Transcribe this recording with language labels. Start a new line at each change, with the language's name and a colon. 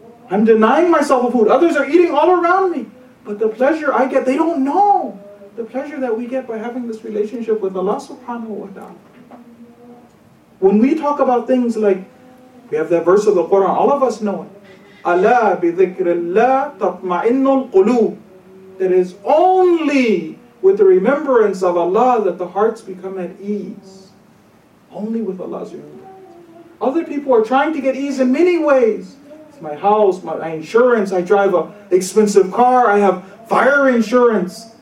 English: I'm denying myself of food. Others are eating all around me. But the pleasure I get, they don't know. The pleasure that we get by having this relationship with Allah subhanahu wa ta'ala. When we talk about things like, we have that verse of the Quran, all of us know it.
Arabic: Allah بِذِكْرِ اللَّهِ تَطْمَعِنُّ الْقُلُوبِ.
English: That is only with the remembrance of Allah that the hearts become at ease. Only with Allah's remembrance. Other people are trying to get ease in many ways. It's my house, my insurance, I drive an expensive car, I have fire insurance.